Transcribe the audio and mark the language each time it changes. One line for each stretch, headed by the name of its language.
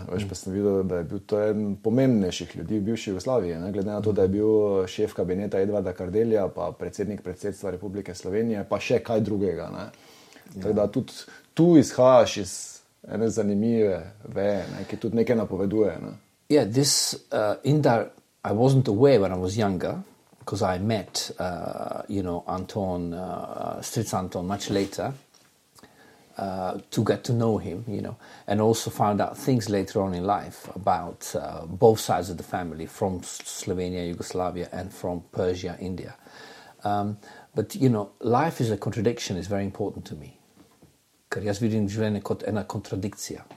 Slovenian: Veš pa sem videl, da je bil to en pomembnejših ljudi v bivši Jugoslaviji. Ne? Glede na to, da je bil šef kabineta Edvarda Kardelja, pa predsednik predsedstva Republike Slovenije, pa še kaj drugega. Ne? Ja. Tako da tudi tu izhajaš iz ene zanimive veje, ne? Ki tudi nekaj napoveduje. Ne?
English: Yeah, this in that I wasn't aware when I was younger, because I met, you know, Anton, Stritz Anton, much later, to get to know him, you know, and also found out things later on in life about both sides of the family, from Slovenia, Yugoslavia, and from Persia, India. But, you know, life is a contradiction, is very important to me.
Slovenian: Ker jaz vidim življenje kot ena kontradikcija.